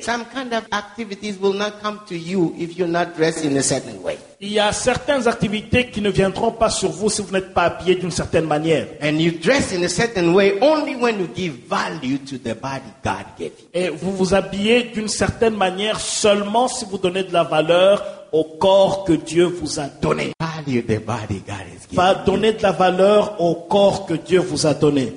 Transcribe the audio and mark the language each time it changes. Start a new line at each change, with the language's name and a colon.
English: Some kind of activities will not come to you if you're not dressed in a certain way.
French: Il y a certaines activités qui ne viendront pas sur vous si vous n'êtes pas habillé d'une certaine manière.
English: And you dress in a certain way only when you give value to the body God gave you.
French: Et vous vous habillez d'une certaine manière seulement si vous donnez de la valeur au corps que Dieu vous a donné.
English: Value the body God has given.
French: Va donner de la valeur au corps que Dieu vous a donné.